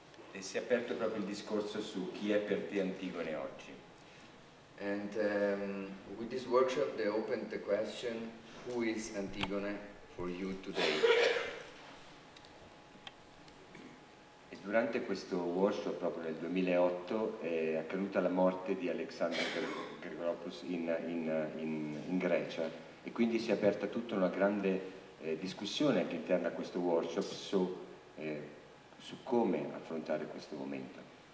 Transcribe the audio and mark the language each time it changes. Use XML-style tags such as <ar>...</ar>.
<it>E si è aperto proprio il discorso su chi è per te Antigone oggi.</it> <en>And with this workshop they opened the question who is Antigone for you today.</en> <it>E durante questo workshop proprio nel 2008 è accaduta la morte di Alexander Grigoropoulos in Grecia e quindi si è aperta tutta una grande discussione anche interna a questo workshop su come affrontare questo momento.</it>